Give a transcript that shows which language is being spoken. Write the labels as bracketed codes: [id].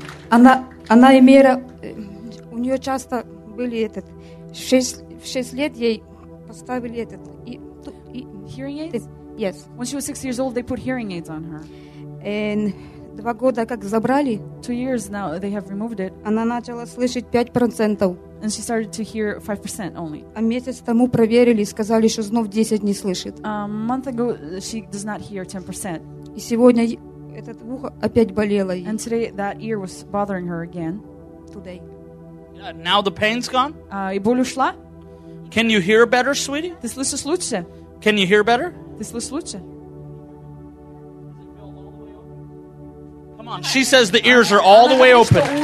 [ru] Она имела, у нее часто были этот в шесть лет ей поставили этот и [en] hearing aids. Yes. When she was 6 years old, they put hearing aids on her. [ru] And 2 года как забрали. [en] 2 years now they have removed it. [ru] Она начала слышать 5%. [en] And she started to hear 5% only. [ru] А месяц тому проверили и сказали, что снова 10 не слышит. [en] A month ago she does not hear 10%. [ru] И сегодня этот ухо опять болело. [en] And today that ear was bothering her again. Today. Yeah, now the pain's gone? [ru] И боль ушла. [en] Can you hear better, sweetie? [ru] Ты слышишь лучше? [en] Can you hear better? [ru] Ты слышишь лучше? [en] She says the ears are all the way open.